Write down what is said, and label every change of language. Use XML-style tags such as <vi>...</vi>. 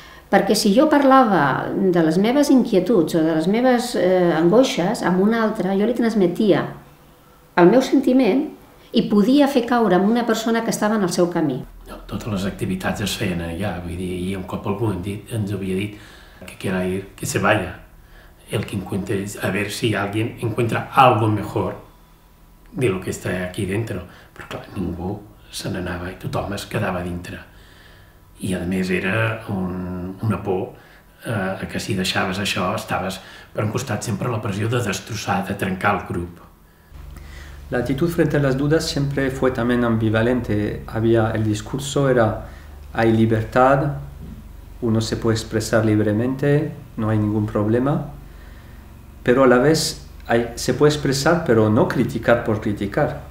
<ca>Perquè si jo parlava de les meves inquietuds o de les meves angoixes amb una altra, jo li transmetia el meu sentiment i podia fer caure amb una persona que estava en el seu camí. Totes les activitats es feien allà, vull dir, i un cop algú ens havia dit que</ca> <es>quiera ir, que se vaya. El que encuentre es a ver si alguien encuentra algo mejor de lo que está aquí dentro.</es> <ca>Però clar, ningú se n'anava i tothom es quedava dintre. I a més era una por que si deixaves això estaves per un costat sempre la pressió de destrossar, de trencar el grup.</ca> <es>La actitud frente a las dudas siempre fue también ambivalente. Había el discurso, era hay libertad, uno se puede expresar libremente, no hay ningún problema, pero a la vez se puede expresar pero no criticar por criticar.</es>